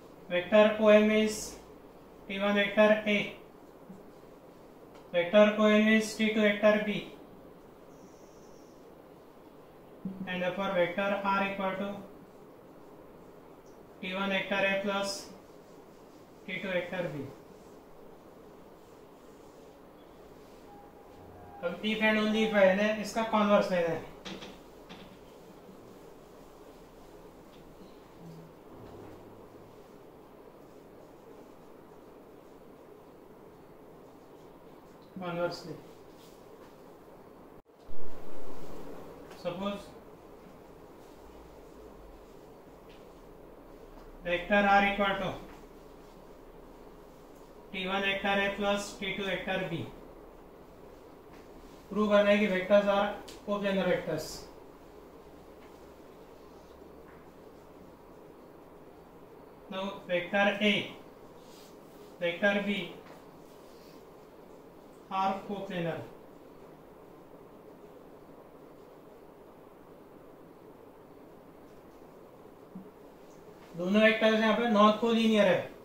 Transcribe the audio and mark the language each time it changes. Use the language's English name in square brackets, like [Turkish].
[English] vector OM is T1 vector A, vector ON is T2 vector B, and therefore vector R equal to T1 vector A plus T2 vector B. [Hindi] अब if and only if है ना, इसका converse लेना है। [English] Conversely, suppose vector R equal to T1 one vector है plus T two vector B, [Hindi] prove करना है कि वेक्टर्स आर कोप्लैनर वेक्टर्स। तो vector A vector B are coplanar, दोनों वेक्टर्स यहाँ पे नॉन कोलिनियर है,